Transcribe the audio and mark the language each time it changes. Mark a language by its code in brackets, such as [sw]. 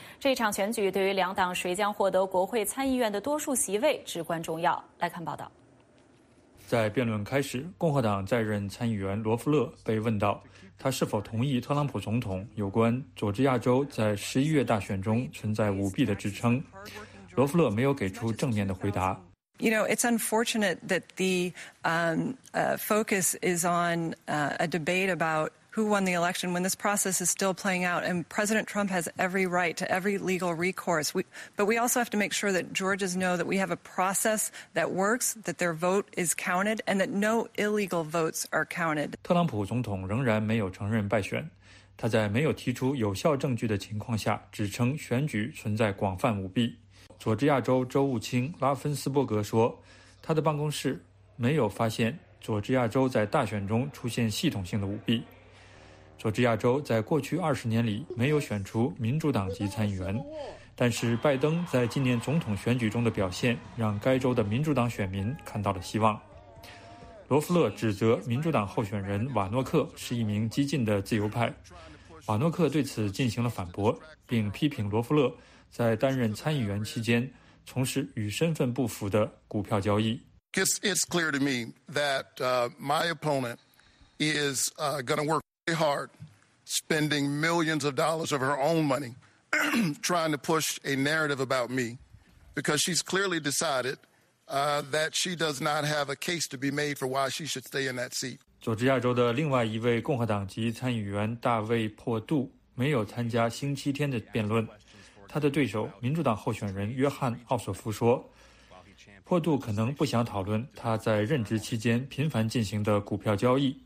[zh] 这场选举对于两党谁将获得国会参议院的多数席位至关重要。来看报道。在辩论开始，共和党在任参议员罗夫勒被问到他是否同意特朗普总统有关佐治亚州在11月大选中存在舞弊的指称。罗夫勒没有给出正面的回答。 [en] You know, it's unfortunate that the focus is on a debate about who won the election when this process is still playing out and President Trump has every right to every legal recourse. But we also have to make sure that Georgians know that we have a process that works, that their vote is counted, and that no illegal votes are counted. [zh] 特朗普总统仍然没有承认败选，他在没有提出有效证据的情况下指称选举存在广泛舞弊。佐治亚州州务卿拉芬斯伯格说，他的办公室没有发现佐治亚州在大选中出现系统性的舞弊。佐治亚州在过去20年里没有选出民主党籍参议员，但是拜登在今年总统选举中的表现让该州的民主党选民看到了希望。罗夫勒指责民主党候选人瓦诺克是一名激进的自由派，瓦诺克对此进行了反驳，并批评罗夫勒在担任参议员期间从事与身份不符的股票交易。 [en] It's clear to me that my opponent is going to workhard spending millions of dollars of her own money trying to push a narrative about me because she's clearly decided that she does not have a case to be made for why she should stay in that seat. [zh] 佐治亚州的另外一位共和党籍参议员大卫·珀杜没有参加星期天的辩论，他的对手民主党候选人约翰·奥索夫说，珀杜可能不想讨论他在任职期间频繁进行的股票交易。